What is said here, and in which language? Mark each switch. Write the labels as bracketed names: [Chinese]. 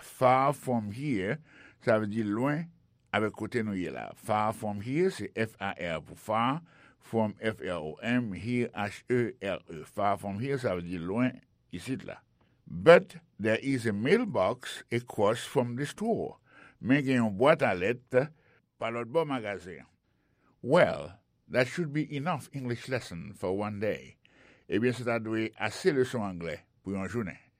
[English] Far from here, [French] ça veut dire loin avec côté nous y là. Far from here, c'est F-A-R pour far. From F-R-O-M, here, H-E-R-E. [English] Far from here, [French] ça veut dire loin ici là. [English] But there is a mailbox across from the store. [French] Mais il y a une boîte à lettres par l'autre bon magasin. [English] Well, that should be enough English lesson for one day. [French] Eh bien, c'est à dire assez leçon anglais pour une journée.